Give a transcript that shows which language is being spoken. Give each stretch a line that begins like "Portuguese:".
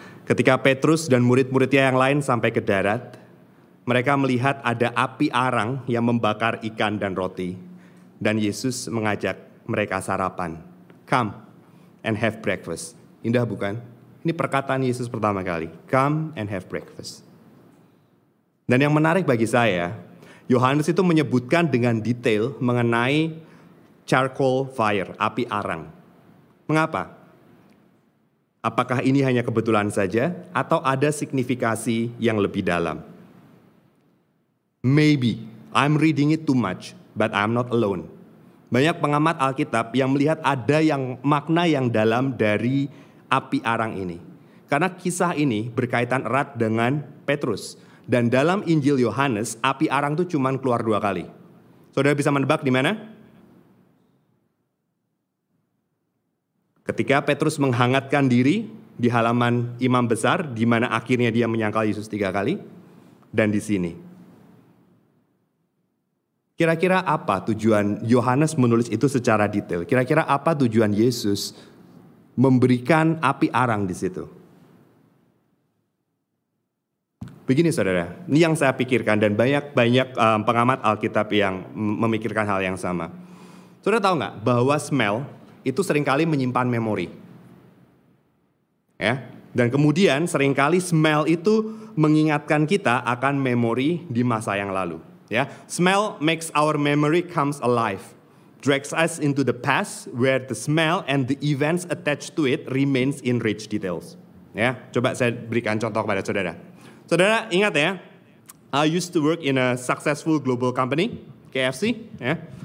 Indonesian: Ketika Petrus dan murid-muridnya yang lain sampai ke darat, mereka melihat ada api arang yang membakar ikan dan roti, dan Yesus mengajak mereka sarapan.
English: Come and have breakfast.
Indonesian: Indah bukan? Ini perkataan Yesus pertama kali.
English: Come and have breakfast.
Indonesian: Dan yang menarik bagi saya, Yohanes itu menyebutkan dengan detail mengenai
English: charcoal fire,
Indonesian: api arang. Mengapa? Apakah ini hanya kebetulan saja atau ada signifikasi yang lebih dalam?
English: Maybe I'm reading it too much, but I'm not alone.
Indonesian: Banyak pengamat Alkitab yang melihat ada yang makna yang dalam dari api arang ini. Karena kisah ini berkaitan erat dengan Petrus. Dan dalam Injil Yohanes, api arang itu cuma keluar dua kali. Saudara bisa menebak di mana? Ketika Petrus menghangatkan diri di halaman imam besar, di mana akhirnya dia menyangkal Yesus tiga kali, dan di sini. Kira-kira apa tujuan Yohanes menulis itu secara detail? Kira-kira apa tujuan Yesus memberikan api arang di situ? Begini saudara, ini yang saya pikirkan dan banyak-banyak pengamat Alkitab yang memikirkan hal yang sama. Saudara tahu gak bahwa smell itu seringkali menyimpan memori? Ya? Dan kemudian seringkali smell itu mengingatkan kita akan memori di masa yang lalu. Ya?
English: Smell makes our memory comes alive, drags us into the past where the smell and the events attached to it remains in rich details. Ya?
Indonesian: Coba saya berikan contoh kepada saudara. Saudara ingat ya,
English: I used to work in a successful global company, KFC. Yeah.